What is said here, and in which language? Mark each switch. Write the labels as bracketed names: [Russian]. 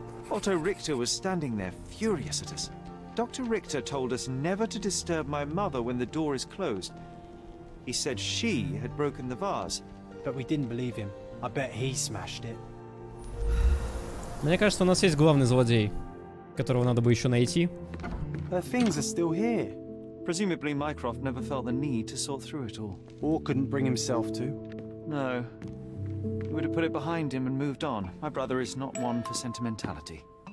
[English] Otto Richter was standing there, furious at us. Dr. Richter told us never to disturb my mother when the door is closed. He said she had broken the vase. But we didn't believe him. I bet he smashed it. [Russian] Мне кажется, у нас есть главный злодей, которого надо бы еще найти. [English] Her things are still here. Presumably Mycroft never felt the need to sort through it all. Or couldn't bring himself to. No. He would have put it behind him and moved on. My brother is not one for sentimentality.